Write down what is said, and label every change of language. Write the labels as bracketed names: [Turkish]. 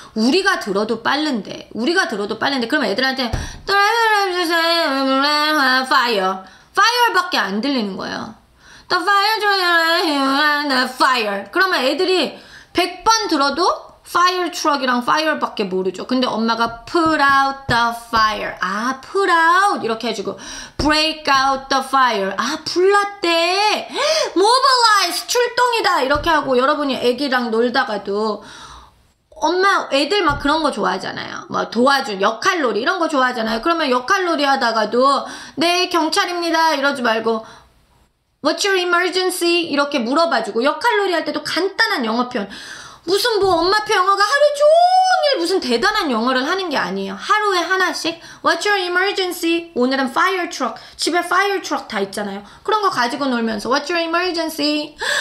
[Korean] 우리가 들어도 빠른데 그러면 애들한테 fire fire밖에 안 들리는 거예요. The fire fire 그러면 애들이 100번 들어도 fire truck이랑 fire밖에 모르죠. 근데 엄마가 [English] put out the fire. [Korean] 아, put out 이렇게 해주고 [English] break out the fire. [Korean] 아, 불났대. mobilize 출동이다 이렇게 하고 여러분이 애기랑 놀다가도 엄마 애들 막 그런 거 좋아하잖아요. 막 도와준 역할놀이 이런 거 좋아하잖아요. 그러면 역할놀이 하다가도 네 경찰입니다 이러지 말고 [English] what's your emergency [Korean] 이렇게 물어봐주고 역할놀이 할 때도 간단한 영어 표현. 무슨 뭐 엄마표 영어가 하루 종일 무슨 대단한 영어를 하는 게 아니에요. 하루에 하나씩 [English] What's your emergency? [Korean] 오늘은 fire truck. 집에 fire truck 다 있잖아요. 그런 거 가지고 놀면서 [English] What's your emergency?